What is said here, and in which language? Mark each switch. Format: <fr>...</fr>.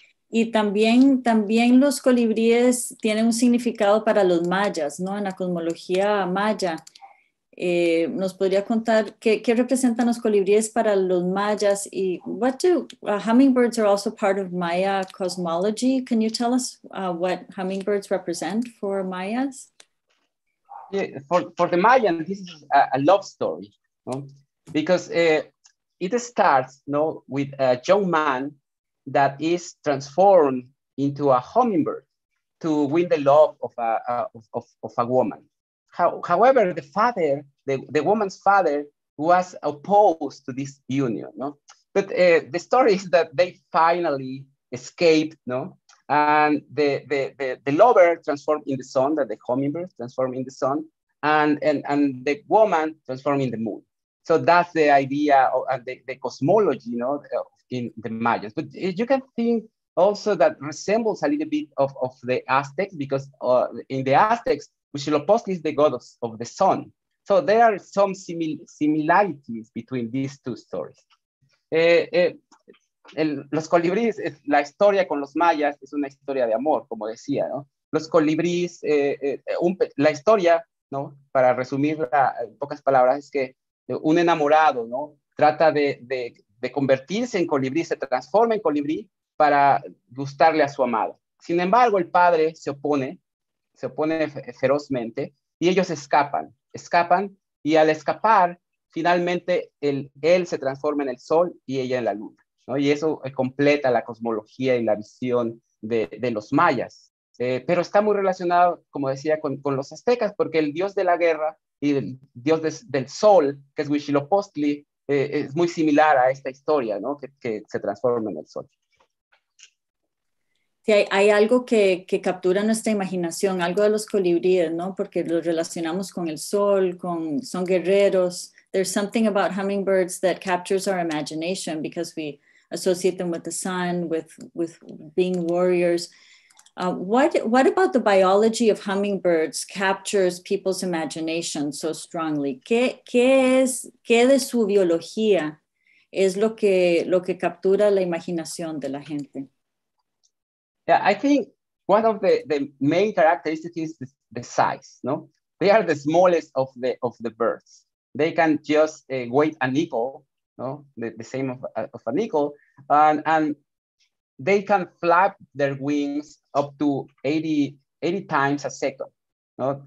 <es>Y también los colibríes tienen un significado para los mayas, ¿no? En la cosmología maya, ¿nos podría contar qué representan los colibríes para los mayas?</es> <en>Y hummingbirds are also part of Maya cosmology. Can you tell us what hummingbirds represent for Mayas? Yeah, for the Mayan, this is a love story, ¿no? Because it starts, ¿no? With a young man that is transformed into a hummingbird to win the love of a woman. However, the father, the woman's father, was opposed to this union. No, but the story is that they finally escaped. No, and the lover transformed in the sun, that the hummingbird transformed in the sun, and the woman transformed in the moon. So that's the idea of the cosmology, you know, in the Mayas. But you can think also that resembles a little bit of the Aztecs, because in the Aztecs, Huitzilopochtli is the god of the sun. So there are some similarities between these two stories.</en> <es>Los colibríes, la historia con los mayas es una historia de amor, como decía, ¿no? Los colibríes, la historia, ¿no? Para resumirla en pocas palabras, es que un enamorado, ¿no? Trata de convertirse en colibrí, se transforma en colibrí para gustarle a su amada. Sin embargo, el padre se opone ferozmente y ellos escapan y al escapar, finalmente él se transforma en el sol y ella en la luna, ¿no? Y eso completa la cosmología y la visión de los mayas. Pero está muy relacionado, como decía, con los aztecas, porque el dios de la guerra y el dios del sol, que es Huitzilopochtli, es muy similar a esta historia, ¿no? Que se transforma en el sol. Sí, hay algo que captura nuestra imaginación, algo de los colibríes, ¿no? Porque los relacionamos con el sol, son guerreros.</es> <en>There's something about hummingbirds that captures our imagination because we associate them with the sun, with being warriors. What about the biology of hummingbirds captures people's imagination so strongly?</en> <es>¿Qué de su biología es lo que captura la imaginación de la gente?</es> <en>Yeah, I think one of the main characteristics is the size, no? They are the smallest of the birds. They can just weigh a nickel, no? The same of a nickel, and they can flap their wings up to 80 times a second, no?</en>